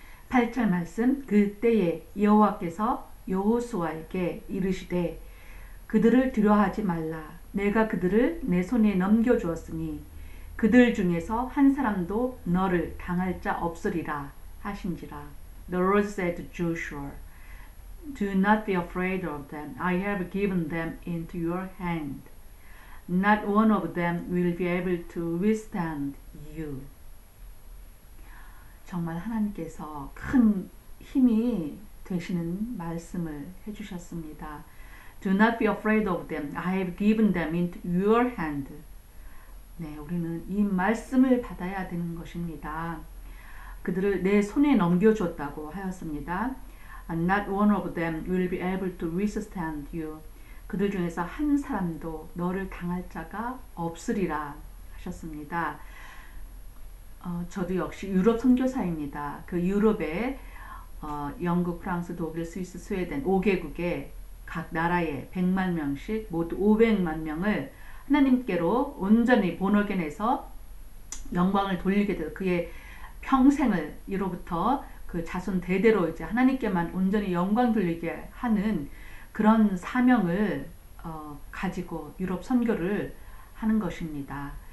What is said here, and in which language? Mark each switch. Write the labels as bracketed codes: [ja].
[ko] 8절 말씀, 그때에 여호와께서 여호수아에게 이르시되 그들을 두려워하지 말라. 내가 그들을 내 손에 넘겨주었으니 그들 중에서 한 사람도 너를 당할 자 없으리라 하신지라. [en] The Lord said to Joshua, Do not be afraid of them. I have given them into your hand. Not one of them will be able to withstand you. [ko] 정말 하나님께서 큰 힘이 되시는 말씀을 해주셨습니다. [en] Do not be afraid of them. I have given them into your hand. [ko] 네, 우리는 이 말씀을 받아야 되는 것입니다. 그들을 내 손에 넘겨줬다고 하였습니다. [en] Not one of them will be able to withstand you. [ko] 그들 중에서 한 사람도 너를 당할 자가 없으리라 하셨습니다. 저도 역시 유럽 선교사입니다. 그 유럽의 영국, 프랑스, 독일, 스위스, 스웨덴 5개국의 각 나라에 100만 명씩 모두 500만 명을 하나님께로 온전히 본어겐에서 영광을 돌리게 되고 그의 평생을 이로부터 그 자손 대대로 이제 하나님께만 온전히 영광 돌리게 하는 그런 사명을 가지고 유럽 선교를 하는 것입니다.